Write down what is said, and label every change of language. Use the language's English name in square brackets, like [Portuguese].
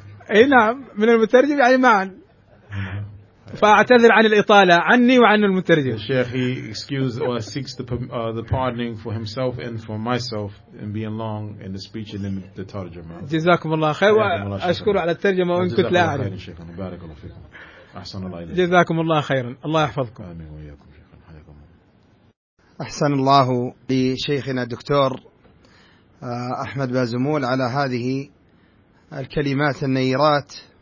[Arabic] اي نعم من المترجم يعني معن. فأعتذر عن الإطالة عني وعن المترجم. [English] الشيخ he excuses or seeks the pardoning for himself and for myself in being long in the speech and in the ترجمة. [Arabic] جزاكم الله خير وأشكر على الترجمة وإن كنت لا أعرف. شكرا بارك الله فيكم. أحسن الله إليكم. جزاكم الله خيرا. الله يحفظكم. آمين وإياكم شيخنا. حياكم الله. أحسن الله لشيخنا الدكتور أحمد بازمول على هذه الكلمات النيرات.